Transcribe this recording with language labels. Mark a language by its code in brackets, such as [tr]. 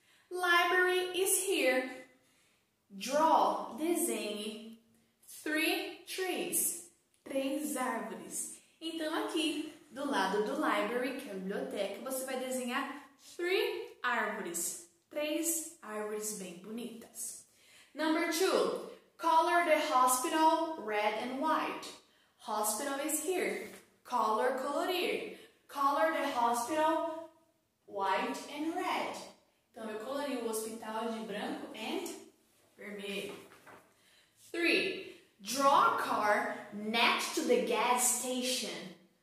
[en] Library is here. Draw, desenhe, three trees. [pt] Três árvores. Então, aqui, do lado do library, que é a biblioteca, você vai desenhar three árvores. Três árvores bem bonitas. [en] Number two, color the hospital red and white. Hospital is here. Color, colorir. Color the hospital white and red. [pt] Então, eu colori o hospital de branco e vermelho. [en] Three, draw a car next to the gas station.